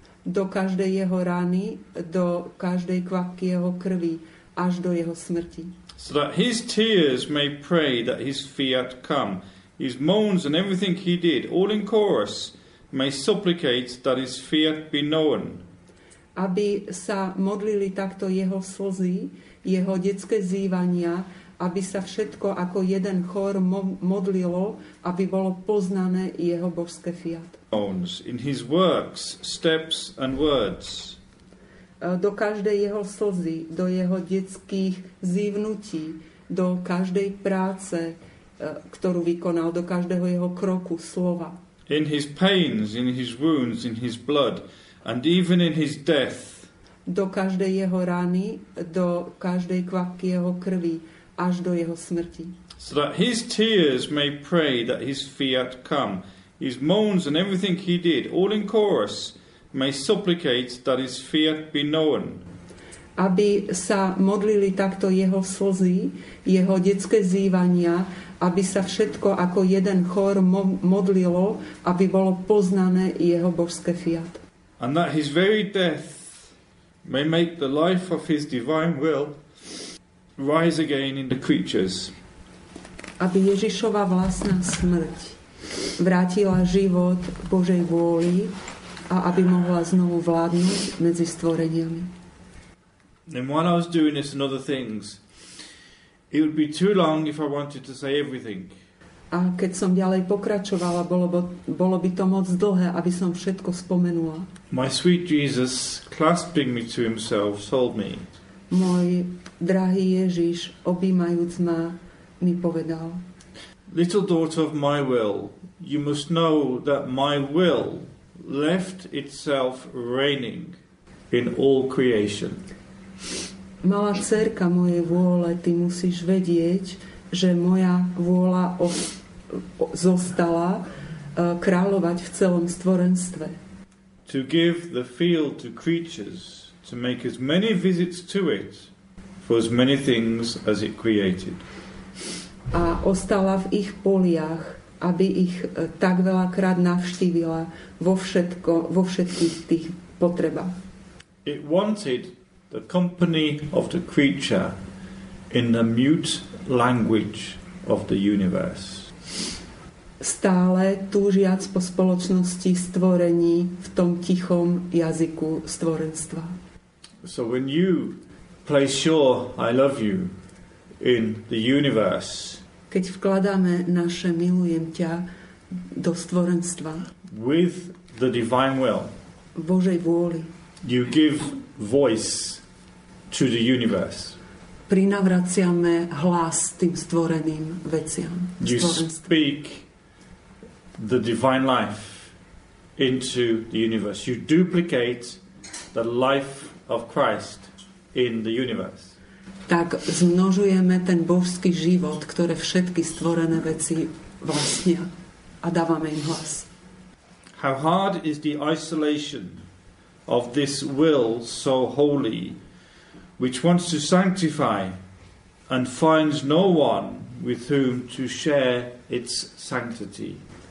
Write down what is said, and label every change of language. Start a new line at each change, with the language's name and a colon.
Slovak: Do každej jeho rany, do každej kvapky jeho krvi, až do jeho smrti.
English: So that his tears may pray that his fiat come. His moans and everything he did, all in chorus, may supplicate that his fiat be known.
Slovak: Aby sa modlili takto jeho slzy, jeho detské zývania, aby sa všetko ako jeden chór modlilo, aby bolo poznané jeho božské fiat.
English: In his works, steps and words.
Slovak: Do každej jeho slzy, do jeho detských zívnutí, do každej práce, ktorú vykonal, do každého jeho kroku, slova.
English: In his pains, in his wounds, in his blood, and even in his death.
Slovak: Do každej jeho rany, do každej kvapky jeho krvi, až do jeho smrti.
English: So that his tears may pray that his fiat come. His moans and everything he did, all in chorus, may supplicate that his fiat be known.
Slovak: aby sa modlili takto jeho slzy, jeho detské zývania, aby sa všetko ako jeden chór modlilo, aby bolo poznané jeho božské fiat.
English: And that his very death may make the life of his divine will rise again in the creatures.
Slovak: Aby Ježišova vlastná smrť vrátila život Božej vôli a aby mohla znovu vládnuť medzi stvoreniami.
English: And while I was doing this and other things, it would be too long if I wanted to say everything.
Slovak: A keď som ďalej pokračovala, bolo by to moc dlhé, aby som všetko spomenula.
English: My sweet Jesus, clasping me to himself, told me.
Slovak: Môj drahý Ježiš, objímajúc ma, mi povedal.
English: Little daughter of my will, you must know that my will left itself reigning in all creation.
Slovak: Malá dcérka mojej vôle, ty musíš vedieť, že moja vôľa zostala kráľovať v celom stvorenstve.
English: To give the field to creatures, to make as many visits to it for as many things as it created.
Slovak: A ostala v ich poliach, aby ich tak veľakrát navštívila vo všetkých tých potrebách.
English: It wanted the company of the creature in the mute language of the universe.
Slovak: Stále túžiac po spoločnosti stvorení v tom tichom jazyku stvorenstva.
English: So when you play sure I love you in the universe,
Slovak: keď vkladáme naše milujem ťa do stvorenstva
English: with the divine will,
Slovak: Božej vôli,
English: you give voice to the universe.
Slovak: Prinavraciame hlas tým stvoreným veciam.
English: You speak the divine life into the universe. You duplicate the life of Christ in the universe.
Slovak: Tak zmnožujeme ten božský život, ktoré všetky stvorené veci vlastnia a dávame im hlas.
English: How hard is the isolation of this will so holy, which wants to sanctify and finds no one with whom to share its sanctity.